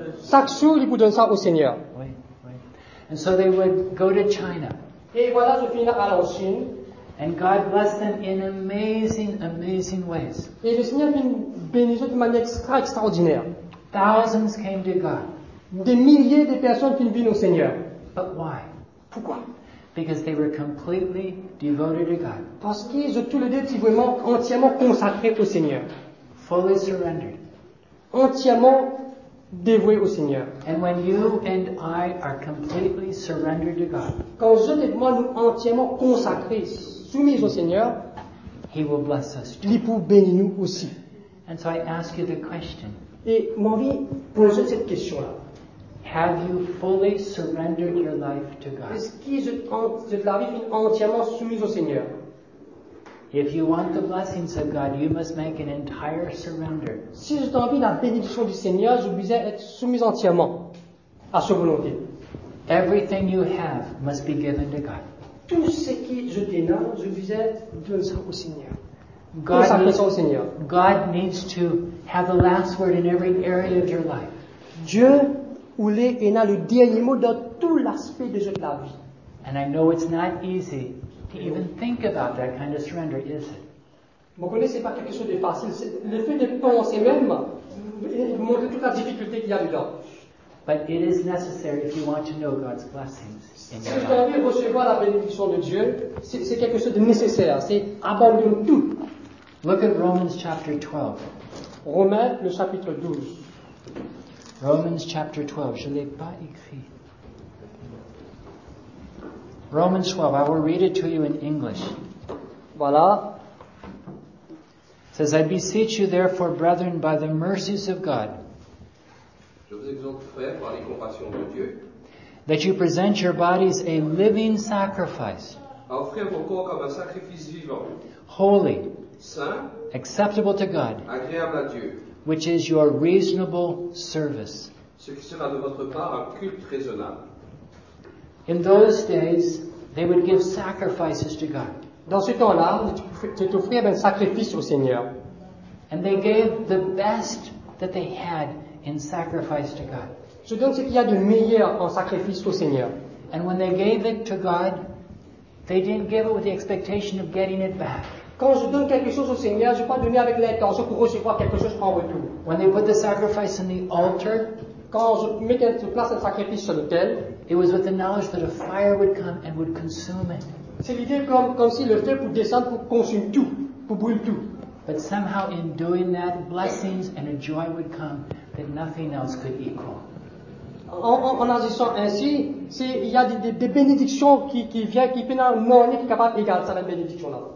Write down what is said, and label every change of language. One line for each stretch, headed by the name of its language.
French: Chaque jour, ils vous donnent ça au Seigneur.
English: And so they would go to China.
French: Et voilà, je finis à la Chine.
English: And God blessed them in amazing, amazing ways.
French: Et le Seigneur bénit eux de manière extraordinaire.
English: Thousands came to God.
French: Des milliers de personnes qui viennent au Seigneur.
English: But why?
French: Pourquoi?
English: Because they were completely devoted to God.
French: Parce qu'ils ont tous les deux été vraiment entièrement consacrés au Seigneur.
English: Fully surrendered.
French: Entièrement dévoués au Seigneur.
English: And when you and I are completely surrendered to God,
French: quand je et moi nous entièrement consacrés, soumis au Seigneur,
English: He will bless us.
French: Il peut bénir nous aussi.
English: And so I ask you the question.
French: Et mon vie pose cette question là.
English: Have you fully surrendered your life to God?
French: Est-ce que je la vie entièrement soumise au Seigneur?
English: If you want the blessings of God, you must make an entire surrender.
French: Si j'ai envie la bénédiction du Seigneur, je dois être soumise entièrement à sa volonté.
English: Everything you have must be given to God.
French: Tout ce que je détiens, je dois donner ça au Seigneur.
English: God needs to have the last word in every area of your life.
French: Dieu voulait et n'a le dernier mot dans tout l'aspect de la vie.
English: And I know it's not easy to even think about that kind of surrender, is it?
French: Vous connaissez pas quelque chose de facile. Le fait de penser même montre toute la difficulté qu'il y a dedans.
English: But it is necessary if you want to know God's blessings in your
French: life. Si vous voulez recevoir la bénédiction de Dieu, c'est quelque chose de nécessaire. C'est abandonner tout.
English: Look at Romans chapter 12.
French: Romains, le chapitre 12.
English: Romans chapter 12.
French: Je ne l'ai pas écrit.
English: Romans 12. I will read it to you in English.
French: Voilà.
English: It says, I beseech you therefore, brethren, by the mercies of God,
French: je vous exhorte, frères, par les compassions de Dieu,
English: that you present your bodies a living sacrifice,
French: à offrir vos corps comme un sacrifice vivant,
English: holy,
French: saint,
English: acceptable to God,
French: agréable à Dieu,
English: which is your reasonable service,
French: ce qui sera de votre part un culte raisonnable.
English: In those days, they would give sacrifices to God.
French: Dans ce temps-là, ils offraient un sacrifice au Seigneur.
English: And they gave the best that they had in sacrifice to God.
French: Je donne ce qu'il y a de meilleur en sacrifice au Seigneur.
English: And when they gave it to God, they didn't give it with the expectation of getting it back.
French: Quand je donne quelque chose au Seigneur, je ne pas donner avec l'intention pour recevoir quelque chose en retour.
English: When they put the sacrifice on the altar,
French: quand je mets en place un sacrifice sur l'autel,
English: it was with the knowledge that a fire would come and would consume it.
French: C'est l'idée comme si le feu pour descendre pour consumer tout, pour brûler tout.
English: But somehow in doing that, blessings and a joy would come that nothing else could equal.
French: En agissant ainsi, il y a des bénédictions qui viennent, qui peuvent nous rendre capables d'égaler cette bénédiction-là.